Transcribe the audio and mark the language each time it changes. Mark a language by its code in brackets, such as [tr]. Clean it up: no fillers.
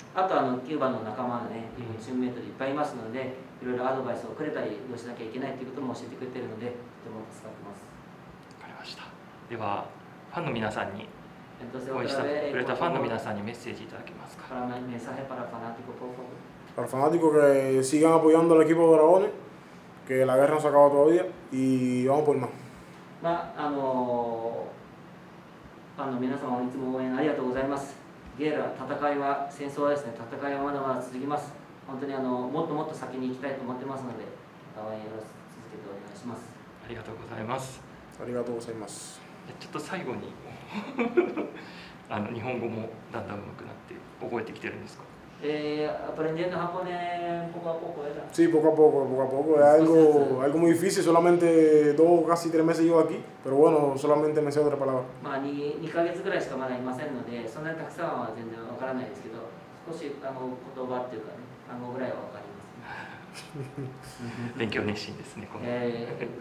[ja] あとあの、キューバの仲間のね、チームメイトでいっぱいいますので、いろいろアドバイスをくれたり、どうしなきゃいけないということも教えてくれているので、とても助かってます。わかりました。では、ファンの皆さんに、応援してくれたファンの皆さんにメッセージいただけますか。 [es] メッセージパラファナティコ、ポーフォーク。 Para fanáticos que sigan apoyando al equipo de Dragones, que la guerra no se ha acabado todavía y vamos por más. [ja] まああのファンの皆様いつも応援ありがとうございます。ゲーラ戦いは戦争はですね、戦いはまだまだ続きます。本当にあのもっともっと先に行きたいと思ってますので、応援よろしく続けてお願いします。ありがとうございます。ありがとうございます。ちょっと最後にあの日本語もだんだん上手くなって覚えてきてるんですか？ [es] Aprendiendo japonés poco a poco, ¿verdad? Sí, poco a poco, poco a poco. Es algo, algo muy difícil, solamente dos, casi tres meses llevo aquí, pero bueno, solamente me sé otra palabra. Bueno, ni 2 meses todavía no sé, así que